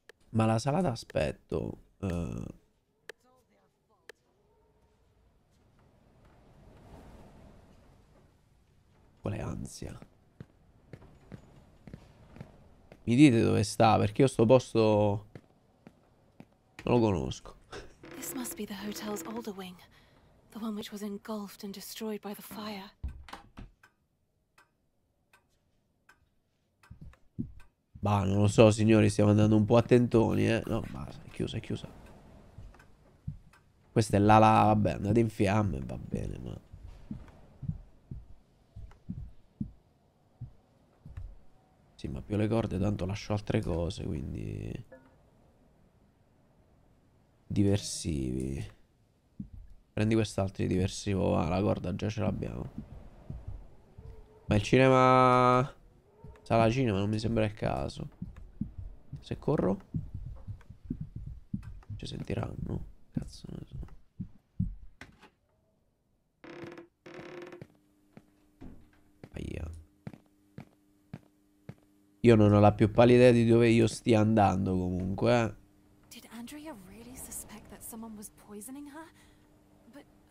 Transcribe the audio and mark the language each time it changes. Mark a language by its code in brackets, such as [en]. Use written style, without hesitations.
[it] Ma la sala d'aspetto Quale ansia. Mi dite dove sta, perché io sto posto non lo conosco. [en] This must be the hotel's older wing, the one which was engulfed and destroyed by the fire. [it] Bah, non lo so, signori, stiamo andando un po' a tentoni, eh. No, basta, è chiusa. Questa è l'ala, vabbè, andate in fiamme, va bene, ma... Sì, ma più le corde, tanto lascio altre cose, quindi... Diversivi. Prendi quest'altro di diversivo, va, la corda già ce l'abbiamo. Ma il cinema... Sala cinema non mi sembra il caso. Se corro ci sentiranno. Cazzo, non so. Aia. Io non ho la più pallida idea di dove io stia andando comunque. [en] Did Andrea really suspect that someone was poisoning her?